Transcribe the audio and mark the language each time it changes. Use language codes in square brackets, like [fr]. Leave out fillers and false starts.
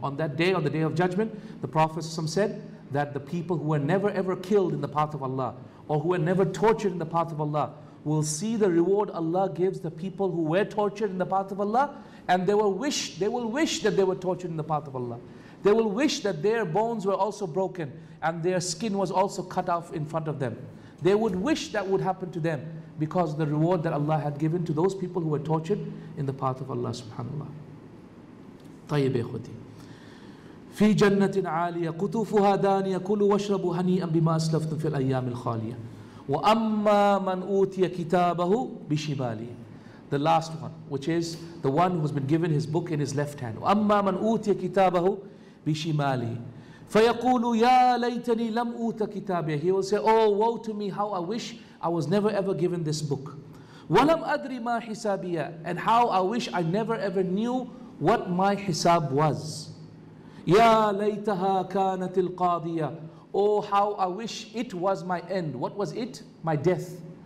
[en] On that day, on the day of judgment, the Prophet ﷺ said that the people who were never ever killed in the path of Allah, or who were never tortured in the path of Allah, will see the reward Allah gives the people who were tortured in the path of Allah, and they will wish that they were tortured in the path of Allah. They will wish that their bones were also broken and their skin was also cut off in front of them. They would wish that would happen to them because of the reward that Allah had given to those people who were tortured in the path of Allah subhanAllah. [ar] طيب يا اخوتي في جنة عالية قطوفها دانية كلوا واشربوا هنيئا بما أسلفتم في الأيام الخالية وأما من أوتي كتابه بشماله. [en] The last one, which is the one who has been given his book in his left hand. [ar] وأما من أوتي كتابه بشماله فيقول يا ليتني لم أوت كتابه. [en] He will say, oh woe to me, how I wish I was never ever given this book. [ar] ولم أدري ما حسابي, [en] and how I wish I never ever knew what my hisab was. [ar] Ya laytaha kanat al-qadiya. [en] Oh, how I wish it was my end. What was it? My death.